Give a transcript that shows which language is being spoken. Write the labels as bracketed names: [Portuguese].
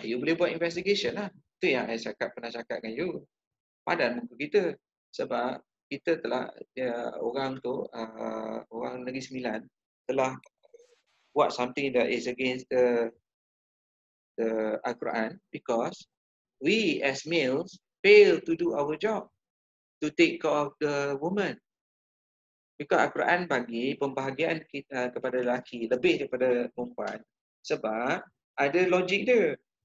[Malay] You boleh buat investigation lah. Itu yang saya pernah cakap dengan you. Padan muka kita. Sebab kita telah, orang Negeri Sembilan telah buat [English] something that is against the Al-Quran because we as males fail to do our job to take care of the woman. Because [Malay] Al-Quran bagi pembahagian kita kepada lelaki lebih daripada perempuan sebab ada logik dia.